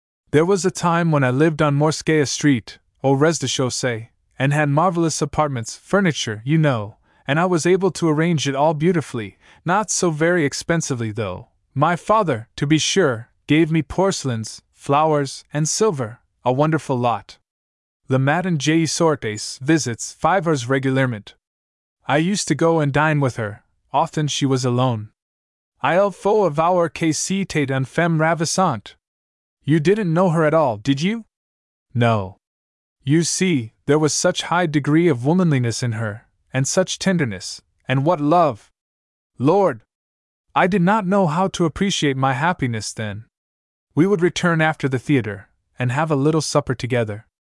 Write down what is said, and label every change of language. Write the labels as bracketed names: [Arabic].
[English] There was a time when I lived on Morskaya Street, [French] au rez-de-chaussée, [English] and had marvelous apartments, furniture, you know, and I was able to arrange it all beautifully, not so very expensively though. My father, to be sure, gave me porcelains, flowers, and silver, a wonderful lot. [French] Le matin j'y sortais, [English] visits, [French] 5 heures régulièrement. [English] I used to go and dine with her, often she was alone. [French] Il faut avouer que c'était une femme ravissante. [English] You didn't know her at all, did you? No. You see, there was such high degree of womanliness in her, and such tenderness, and what love! Lord! I did not know how to appreciate my happiness then. We would return after the theater, and have a little supper together.